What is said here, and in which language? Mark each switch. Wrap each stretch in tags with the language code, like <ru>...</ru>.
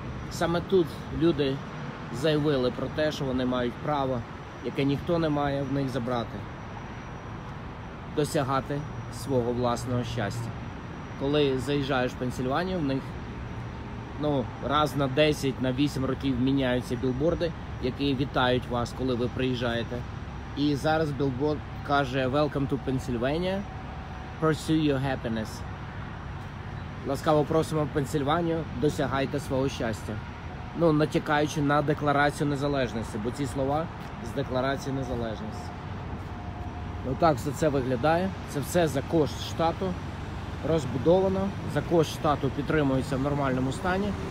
<uk>Саме тут люди заявили про те, що вони мають право, яке ніхто не має в них забрати, досягати свого власного щастя. Коли заїжджаєш в Пенсильванію, в них ну, раз на 10, на 8 років міняються білборди, які вітають вас, коли ви приїжджаєте. І зараз білборд каже</uk> <en>«Welcome to Pennsylvania, pursue your happiness».</en> <uk>Ласкаво просимо в Пенсильванію, досягайте свого щастя. Ну, натякаючи на Декларацію Незалежності, бо ці слова з Декларації Незалежності. Ну, так все це виглядає. Це все за кошт штату. Розбудовано, за кошт штату підтримується в нормальному стані.</uk>